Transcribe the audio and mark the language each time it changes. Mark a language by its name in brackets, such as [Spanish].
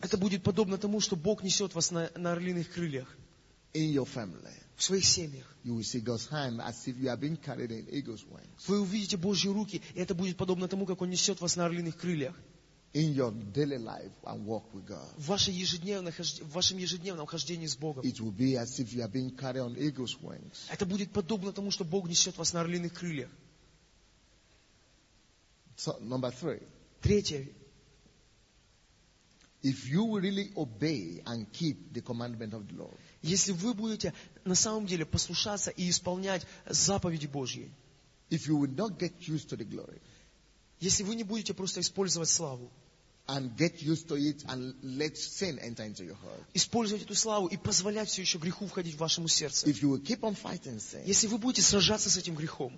[Russian] Это будет подобно тому, что Бог несет вас на орлиных крыльях. [English] In your family. [Russian] В своих семьях. [English] You will see God's hand as if you are being carried in eagle's wings. [Russian] Вы увидите Божьи руки, и это будет подобно тому, как Он несет вас на орлиных крыльях. [English] In your daily life and walk with God. [Russian] В вашем ежедневном хождении с Богом. [English] It will be as if you are being carried on eagle's wings. [Russian] Это будет подобно тому, что Бог несет вас на орлиных крыльях. [English] So, number three. [Russian] Третье. [English] If you really obey and keep the commandment of the Lord. [Russian] Если вы будете на самом деле послушаться и исполнять заповеди Божьи. [English] If you will not get used to the glory. [Russian] Если вы не будете просто использовать славу, [English] and get used to it and let sin enter into your heart. [Russian] Использовать эту славу и позволять все еще греху входить в вашему сердце. [English] If you will keep on fighting sin, [Russian] если вы будете сражаться с этим грехом,